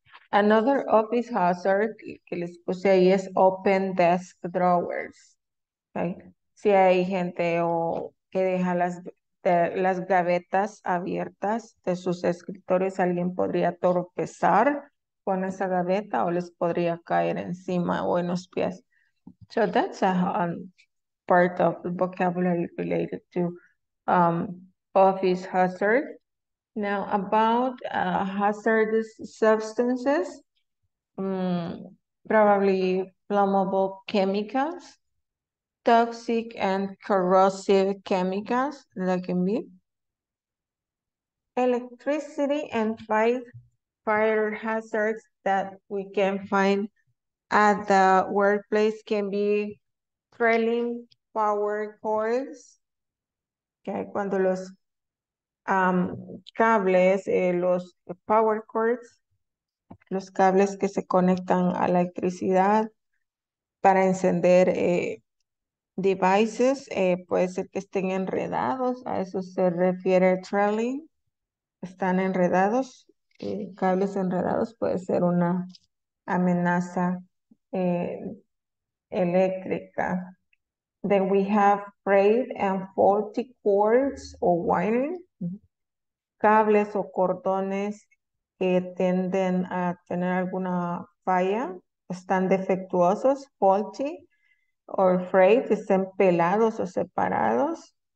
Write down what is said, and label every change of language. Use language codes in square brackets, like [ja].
[en] Another office hazard que les puse ahí es open desk drawers. Okay. [es] Si hay gente que deja las gavetas abiertas de sus escritorios, alguien podría tropezar con esa gaveta o les podría caer encima o en los pies. [en] So that's a part of the vocabulary related to office hazard. Now about hazardous substances, probably flammable chemicals, toxic and corrosive chemicals, that can be electricity and fire hazards that we can find at the workplace can be trailing power cords. [es] Okay, cuando los cables, los power cords, los cables que se conectan a la electricidad para encender devices, puede ser que estén enredados. A eso se refiere trailing. Están enredados. Cables enredados puede ser una amenaza eléctrica. [en] Then we have frayed and faulty cords or wiring. [es] Cables o cordones que tienden a tener alguna falla, están defectuosos, faulty or frayed, estén pelados o separados.